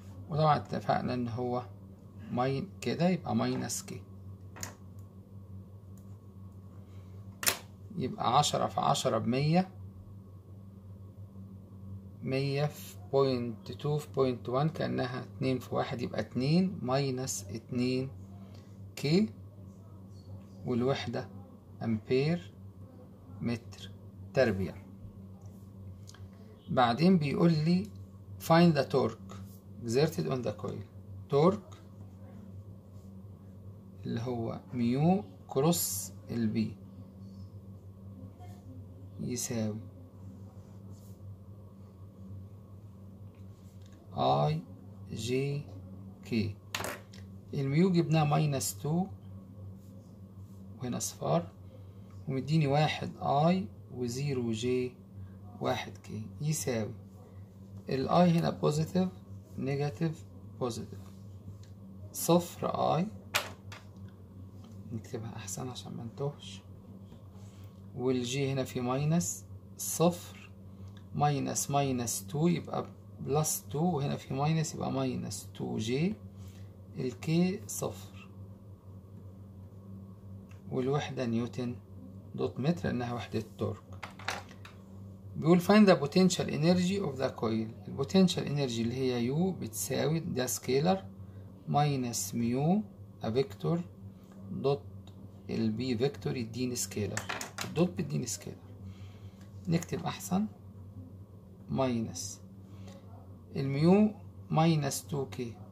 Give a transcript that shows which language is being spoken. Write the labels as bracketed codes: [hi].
[ar] وطبعا اتفقنا ان هو ماين كده يبقى ماينس كي، يبقى 10 في 10 بـ100، 100 في 0.2 في 0.1 كأنها 2 في 1، يبقى 2 ماينس 2 كي، والوحدة أمبير متر تربيع. بعدين بيقول لي [en] find the torque exerted on the coil. [ar] torque اللي هو ميو كروس البي يساوي IJK. الميو جبناه ماينس 2 وهنا صفار، ومديني 1I وزيرو جي 1K يساوي ال I هنا بوزيتيف نيجاتيف بوزيتيف 0I، نكتبها أحسن عشان ما نتوهش، والجي هنا في ماينس 0 ماينس ماينس 2 يبقى بلس 2، وهنا في ماينس يبقى ماينس 2J، الكي 0 والوحدة نيوتن دوت متر لأنها وحدة تورك. بيقول [en] find the potential energy of the coil. [ar] البوتنشال انرجي اللي هي يو بتساوي ده سكيلر ماينس ميو افكتور دوت البي فيكتور يديني سكيلر، الدوت بيديني سكيلر، نكتب احسن ماينس الميو ماينس 2K